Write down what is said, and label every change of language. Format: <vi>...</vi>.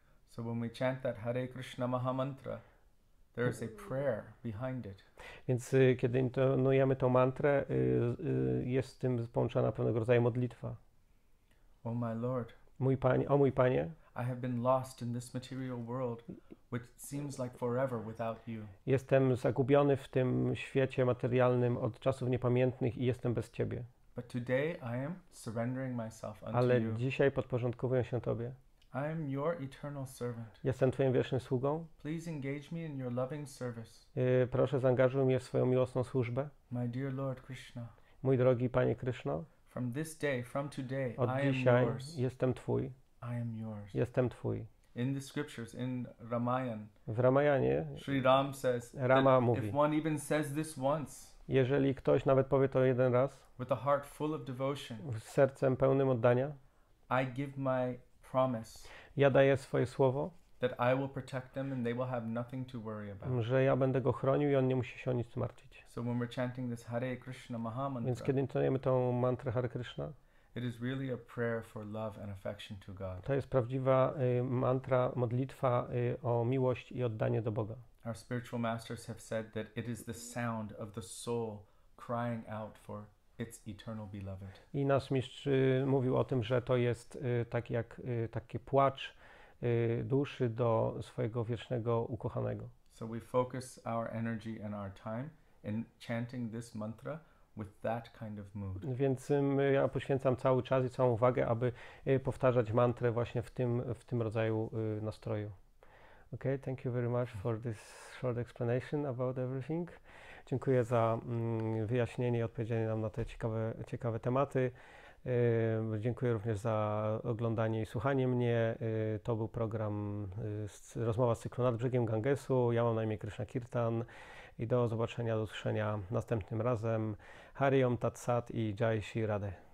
<en>So when we chant that Hare Krishna Maha Mantra, there is a prayer behind it.</en> <pl>Więc kiedy intonujemy tą mantrę, jest z tym połączona pewnego rodzaju modlitwa.</pl> <en>Oh my Lord,</en> <pl>mój Panie, o mój Panie,</pl> <en>I have been lost in this material world, which seems like forever without you.</en> <pl>Jestem zagubiony w tym świecie materialnym od czasów niepamiętnych i jestem bez Ciebie.</pl> <en>But today I am surrendering myself unto you.</en> <pl>Ale dzisiaj podporządkowuję się Tobie.</pl> <en>I am your eternal servant.</en> <pl>Jestem Twoim wiecznym sługą.</pl> <en>Please engage me in your loving service.</en> <pl>Proszę, zaangażuj mnie w swoją miłosną służbę.</pl> <en>My dear Lord Krishna.</en> <pl>Mój drogi Panie Krishna.</pl> <en>From this day, from today,</en> <pl>od dzisiaj jestem Twój.</pl> <en>I am yours.</en> <pl>Jestem Twój.</pl> <en>In the scriptures, in Ramayan,</en> <pl>w Ramayanie</pl> <en>Sri Ram says,</en> <pl>Rama mówi,</pl> <en>if one even says this once,</en> <pl>jeżeli ktoś nawet powie to jeden raz,</pl> <en>with a heart full of devotion,</en> <pl>z sercem pełnym oddania,</pl> <en>I give my promise,</en> <pl>ja daję swoje słowo,</pl> <en>that I will protect them and they will have nothing to worry about.</en> <pl>Że ja będę go chronił i on nie musi się o nic martwić.</pl> <en>So when we're chanting this Hare Krishna Maha Mantra,</en> <pl>więc kiedy intonujemy tą mantrę Hare Krishna,</pl> <en>it is really a prayer for love and affection to God.</en> <pl>To jest prawdziwa mantra, modlitwa o miłość i oddanie do Boga.</pl> <en>Our spiritual masters have said that it is the sound of the soul crying out for its eternal beloved.</en> <pl>I nasz mistrz mówił o tym, że to jest tak jak taki płacz duszy do swojego wiecznego ukochanego.</pl> <en>So we focus our energy and our time in chanting this mantra with that kind of mood.</en> <pl>Więc ja poświęcam cały czas i całą uwagę, aby powtarzać mantrę właśnie w tym rodzaju nastroju.</pl> <en>Okay, thank you very much for this short explanation about everything.</en> <pl>Dziękuję za wyjaśnienie i odpowiedzenie nam na te ciekawe tematy. Dziękuję również za oglądanie i słuchanie mnie. To był program Rozmowa z cyklu Nad brzegiem Gangesu. Ja mam na imię Krishna Kirtan i do zobaczenia, do usłyszenia następnym razem. Hari Om Tat Sat i Jai Shri Radhe.</pl>